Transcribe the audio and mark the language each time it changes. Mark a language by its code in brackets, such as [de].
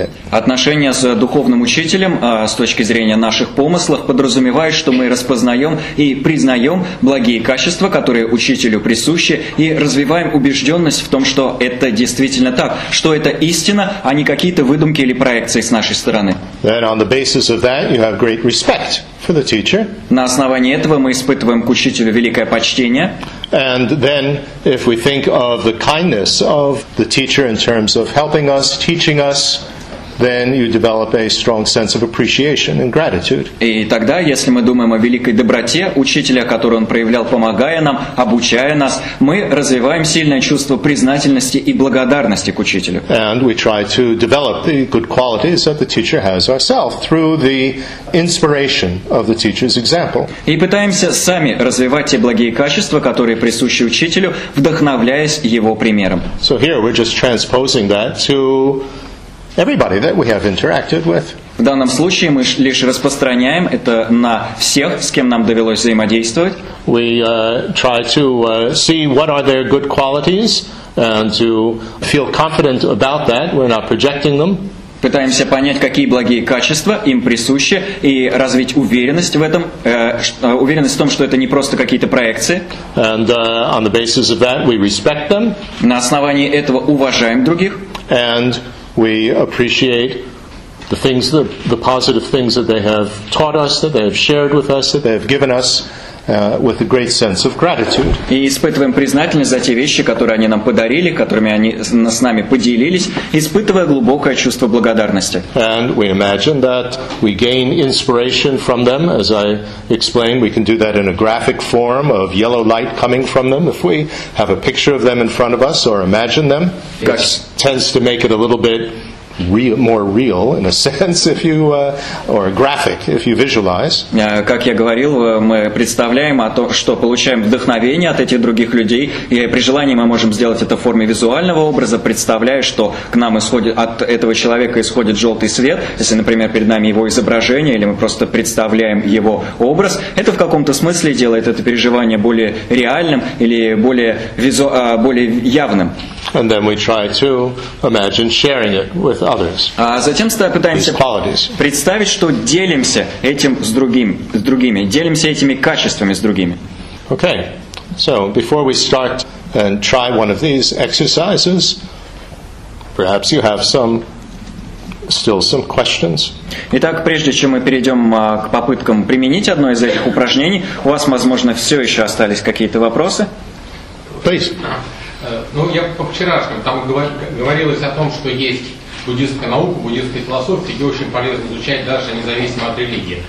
[ru] Отношения с духовным учителем с точки зрения наших помыслов подразумевает, что мы распознаем и признаем благие качества, которые учителю присущи, и развиваем убежденность в том, что это действительно так, что это истина, а не какие-то выдумки или проекции с нашей стороны. На основании этого мы испытываем к учителю великое почтение. [en] And then, if we think of the kindness of the teacher in terms of helping us, teaching us, then you develop a strong sense of appreciation and gratitude. [ru] И тогда, если мы думаем о великой доброте учителя, который он проявлял, помогая нам, обучая нас, мы развиваем сильное чувство признательности и благодарности к учителю. [en] And we try to develop the good qualities that the teacher has ourselves through the inspiration of the teacher's example. [ru] И пытаемся сами развивать те благие качества, которые присущи учителю, вдохновляясь его примером. [en] So here we're just transposing that to everybody that we have interacted with. [ru] В данном случае мы лишь распространяем это на всех, с кем нам довелось взаимодействовать. [en] We try to see what are their good qualities and to feel confident about that. We're not projecting them. [ru] Пытаемся понять, какие благие качества им присущи, и развить уверенность в этом, уверенность в том, что это не просто какие-то проекции. [en] And on the basis of that, we respect them. [ru] На основании этого уважаем других. [en] And we appreciate the things, the positive things that they have taught us, that they have shared with us, that they have given us with a great sense of gratitude. [ru] И испытываем признательность за те вещи, которые они нам подарили, которыми они с нами поделились, испытывая глубокое чувство благодарности. [en] And we imagine that we gain inspiration from them. As I explained, we can do that in a graphic form of yellow light coming from them. If we have a picture of them in front of us or imagine them, that tends to make it a little bit more real in a sense, if you or graphic, if you visualize. [ru] Как я говорил, мы представляем о том, что получаем вдохновение от этих других людей, и при желании мы можем сделать это в форме визуального образа, представляя, что к нам исходит от этого человека исходит желтый свет. Если, например, перед нами его изображение, или мы просто представляем его образ, это в каком-то смысле делает это переживание более реальным или более явным. [en] And then we try to imagine sharing it with others. [ru] А затем пытаемся представить, что делимся этим с другими, делимся этими качествами с другими. [en] Okay. So before we start and try one of these exercises, perhaps you have some questions. [ru] Итак, прежде чем мы перейдем к попыткам применить одно из этих упражнений, у вас, возможно, все еще остались какие-то вопросы? [en] Please. [ru] Ну, я по вчерашнему, там говорилось о том, что есть буддийская наука, буддийская философия, ее очень полезно изучать даже независимо от религии.